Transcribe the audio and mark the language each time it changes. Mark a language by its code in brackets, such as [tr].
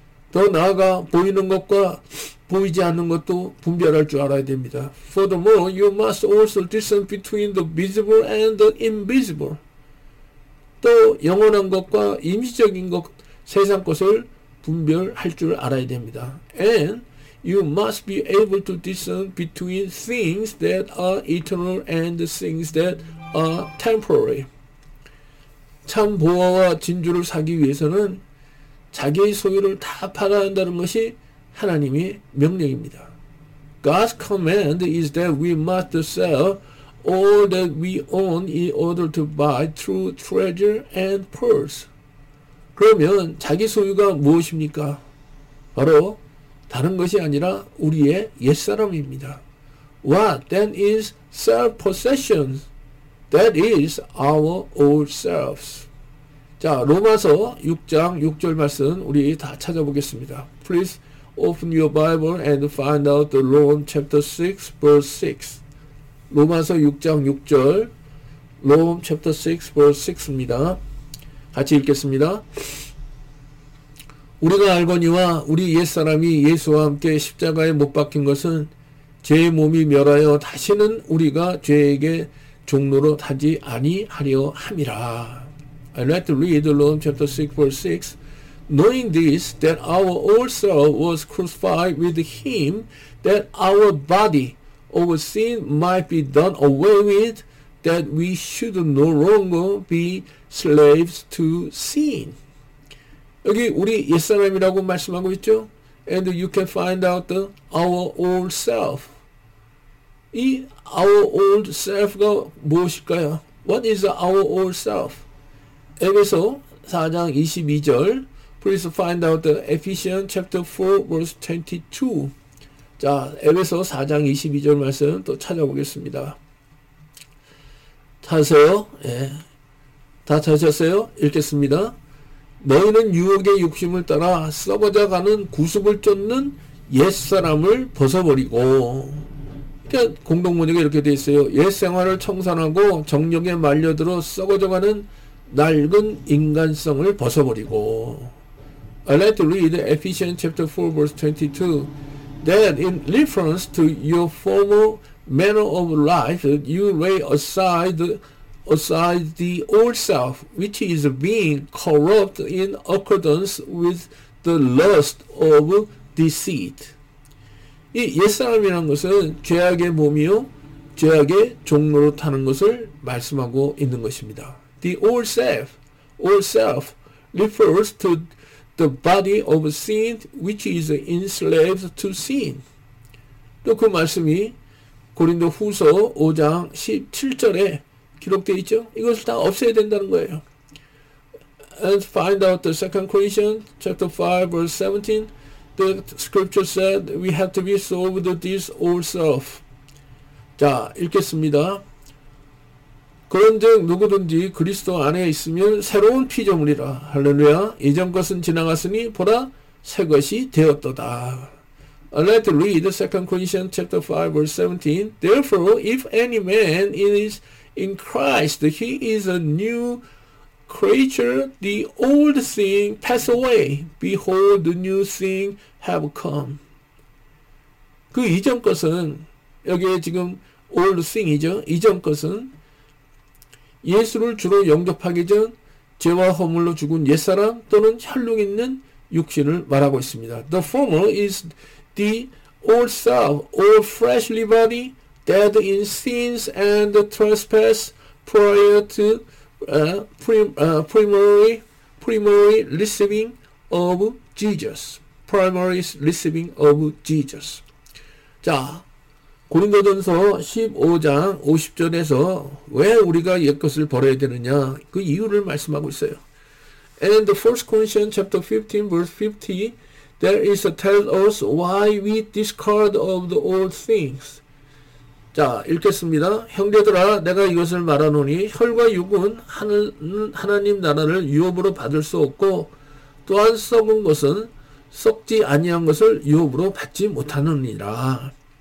[ko] 더 나아가 보이는 것과 보이지 않는 것도 분별할 줄 알아야 됩니다. [en] Furthermore, you must also discern between the visible and the invisible. [ko] 또 영원한 것과 임시적인 것, 세상 것을 분별할 줄 알아야 됩니다. [en] And you must be able to discern between things that are eternal and things that are temporary. [ko] 참 보화와 진주를 사기 위해서는 자기의 소유를 다 팔아야 한다는 것이 하나님의 명령입니다. [en] God's command is that we must sell all that we own in order to buy true treasure and pearls. [ko] 그러면 자기 소유가 무엇입니까? 바로 다른 것이 아니라 우리의 옛사람입니다. [en] What then is self-possession? That is our old selves. [ko] 자, 로마서 6장 6절 말씀 우리 다 찾아보겠습니다. [en] Please open your Bible and find out the Romans chapter 6 verse 6. [ko] 로마서 6장 6절, [en] Romans chapter 6 verse 6 [ko] 입니다. 같이 읽겠습니다. 우리가 알거니와 우리 옛사람이 예수와 함께 십자가에 못 박힌 것은 죄의 몸이 멸하여 다시는 우리가 죄에게 종로로 타지 아니하려 함이라. [en] I let the read Romans chapter 6 verse 6. Knowing this, that our old self was crucified with him, that our body of sin might be done away with, that we should no longer be slaves to sin. [ko] 여기 우리 옛사람이라고 말씀하고 있죠? [en] And you can find out the our old self. [ko] 이 [en] our old self [ko] 가 무엇일까요? [en] What is our old self? [ko] 에베소 4장 22절. [en] Please find out the Ephesians chapter 4 verse 22. [ko] 자, 에베소 4장 22절 말씀 또 찾아보겠습니다. 찾으세요. 예. 다 찾으셨어요? 읽겠습니다. 너희는 유혹의 욕심을 따라 썩어져 가는 구습을 쫓는 옛사람을 벗어버리고. 그러니까 공동번역이 이렇게 되어 있어요. 옛 생활을 청산하고 정력에 말려들어 썩어져 가는 낡은 인간성을 벗어버리고. [en] I like to read Ephesians chapter 4 verse 22. That in reference to your former manner of life, you lay aside the old self, which is being corrupt in accordance with the lust of deceit. [ko] 이 옛사람이라는 것은 죄악의 몸이요, 죄악의 종로로 타는 것을 말씀하고 있는 것입니다. [en] The old self refers to the body of sin which is enslaved to sin. [ko] 또 그 말씀이 고린도 후서 5장 17절에 기록되어 있죠. 이것을 다 없애야 된다는 거예요. [en] And find out the 2 Corinthians chapter 5 verse 17. The scripture said we have to be sold to this old self. [ko] 자, 읽겠습니다. 그런즉 누구든지 그리스도 안에 있으면 새로운 피조물이라. 할렐루야. 이전 것은 지나갔으니 보라 새 것이 되었도다. [en] Let us read 2 Corinthians chapter 5 verse 17. Therefore, if any man is in Christ, he is a new creature. The old thing pass away. Behold, the new thing have come. [ko] 그 이전 것은 여기에 지금 [en] old thing [ko] 이죠. 이전 것은 예수를 주로 영접하기 전 죄와 허물로 죽은 옛사람 또는 혈육 있는 육신을 말하고 있습니다. [en] The former is the old self, old fleshly body, dead in sins and trespass prior to primary receiving of Jesus. Primary receiving of Jesus. [ko] 자, 고린도전서 15장 50절에서 왜 우리가 옛것을 버려야 되느냐 그 이유를 말씀하고 있어요. [en] And the 1st Corinthians chapter 15 verse 50 there is a tell us why we discard of the old things. [ko] 자, 읽겠습니다. 형제들아 내가 이것을 말하노니 혈과 육은 하나님 나라를 유업으로 받을 수 없고 또한 썩은 것은 썩지 아니한 것을 유업으로 받지 못하느니라.